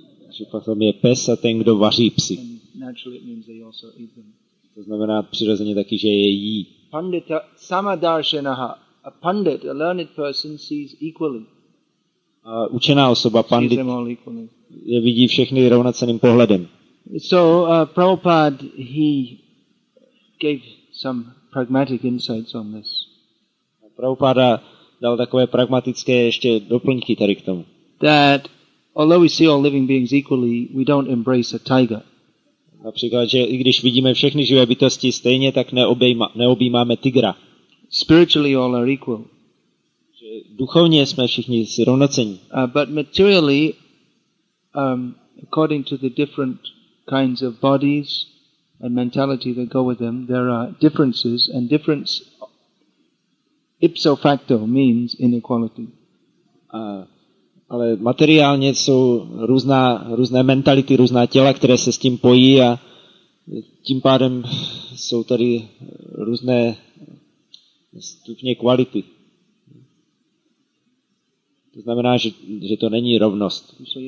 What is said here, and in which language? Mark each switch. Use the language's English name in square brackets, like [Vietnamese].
[Czech] Že potom je pes a ten, kdo vaří psi. [English] And naturally it means they also eat them. [Czech] To znamená přirozeně taky, že je jí. [Sanskrit] Pandita samadarshanaha. [English] A pundit, a learned person, sees equally. [Czech] Učená osoba, pandit, [English] sees them all equally. [Czech] Je vidí všechny rovnocenným pohledem. [English] So, Prabhupada, he gave some pragmatic insights on this. [Czech] Prabhupada dal takové pragmatické ještě doplňky tady k tomu. [English] That, although we see all living beings equally, we don't embrace a tiger. [Czech] Například, že i když vidíme všechny živé bytosti stejně, tak neobjímáme tigra. [English] Spiritually all are equal. [Czech] Duchovně jsme všichni si rovnocení. [English] But materially, according to the different kinds of bodies and mentality that go with them, there are differences, and difference ipso facto means inequality. [Czech] Ale materiálně jsou různé mentality, různá těla, které se s tím pojí, a tím pádem jsou tady různé stupně kvality. To znamená, že to není rovnost.